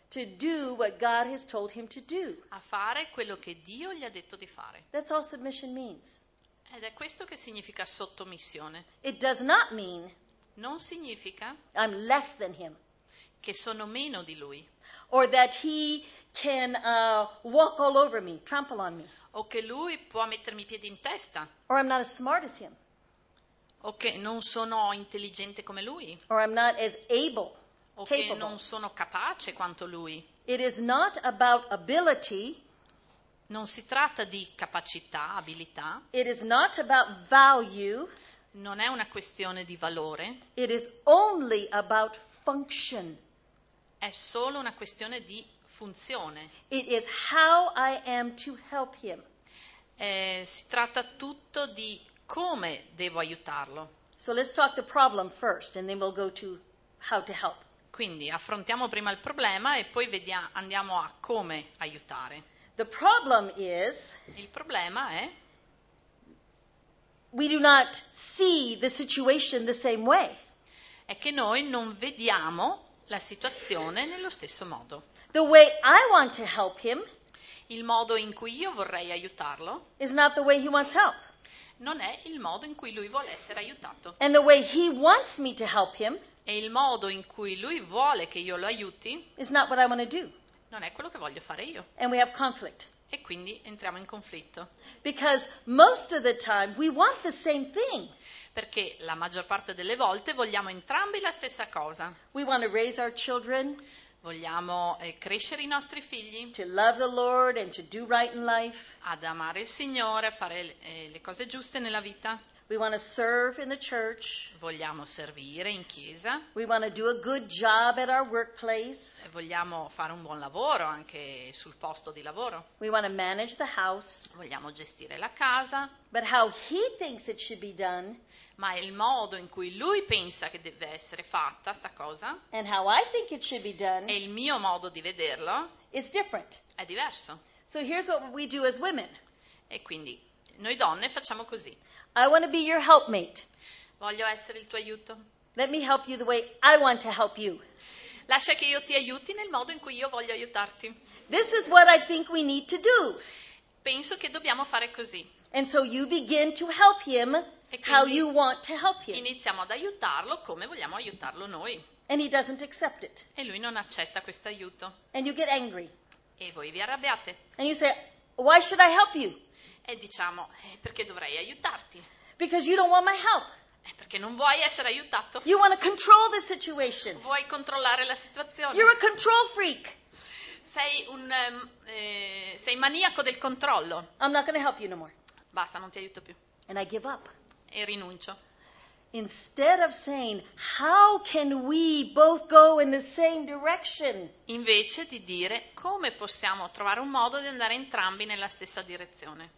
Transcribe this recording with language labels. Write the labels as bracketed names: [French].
[English] to do what God has told him to do. [Italian] A fare quello che Dio gli ha detto di fare. [English] That's all submission means. [Italian] Ed è questo che significa sottomissione. [English] It does not mean [Italian] non significa [English] I'm less than him. [Italian] Che sono meno di lui. [English] Or that he can walk all over me, trample on me. [Italian] O che lui può mettermi i piedi in testa. [English] Or I'm not as smart as him. [Italian] O che non sono intelligente come lui. [English] Or I'm not as able. [Italian] O che non sono capace quanto lui. [English] It is not about ability. [Italian] Non si tratta di capacità, abilità. [English] It is not about value. [Italian] Non è una questione di valore. [English] It is only about function. [Italian] È solo una questione di funzione. [English] It is how I am to help him. [Italian] Si tratta tutto di come devo aiutarlo. [English] So let's talk the problem first and then we'll go to how to help. [Italian] Quindi affrontiamo prima il problema e poi andiamo a come aiutare. [English] The problem is, [Italian] il problema è [English] we do not see the situation the same way. [Italian] È che noi non vediamo la situazione nello stesso modo. [English] The way I want to help him, [Italian] il modo in cui io vorrei aiutarlo [English] is not the way he wants help. [Italian] Non è il modo in cui lui vuole essere aiutato. [English] And the way he wants me to help him, [Italian] e il modo in cui lui vuole che io lo aiuti, [English] is not what I want to do. [Italian] Non è quello che voglio fare io. [English] And we have conflict. [Italian] E quindi entriamo in conflitto. [English] Because most of the time we want the same thing. [Italian] Perché la maggior parte delle volte vogliamo entrambi la stessa cosa. [English] We want to raise our children. [Italian] Vogliamo crescere i nostri figli. [English] To love the Lord and to do right in life. [Italian] Ad amare il Signore, a fare le cose giuste nella vita. [English] We want to serve in the church. [Italian] Vogliamo servire in chiesa. [English] We want to do a good job at our workplace. [Italian] Vogliamo fare un buon lavoro anche sul posto di lavoro. [English] We want to manage the house. [Italian] Vogliamo gestire la casa. [English] But how he thinks it should be done. [Italian] Ma il modo in cui lui pensa che deve essere fatta sta cosa. [English] And how I think it should be done. [Italian] E il mio modo di vederlo. [English] Is different. [Italian] È diverso. [English] So here's what we do as women. [Italian] E quindi noi donne facciamo così. [English] I want to be your helpmate. [Italian] Voglio essere il tuo aiuto. [English] Let me help you the way I want to help you. [Italian] Lascia che io ti aiuti nel modo in cui io voglio aiutarti. [English] This is what I think we need to do. [Italian] Penso che dobbiamo fare così. [English] And so you begin to help him how you want to help him. [Italian] Iniziamo ad aiutarlo come vogliamo aiutarlo noi. [English] And he doesn't accept it. [Italian] E lui non accetta questo aiuto. [English] And you get angry. [Italian] E voi vi arrabbiate. [English] And you say, why should I help you? [Italian] E diciamo, perché dovrei aiutarti? [English] Because you don't want my help. [Italian] Perché non vuoi essere aiutato. [English] You want to control the situation. [Italian] Vuoi controllare la situazione. [English] You're a control freak. [Italian] Sei un sei maniaco del controllo. [English] I'm not going to help you no more. [Italian] Basta, non ti aiuto più. [English] And I give up. [Italian] E rinuncio. [English] Instead of saying, how can we both go in the same direction? [Italian] Invece di dire, come possiamo trovare un modo di andare entrambi nella stessa direzione?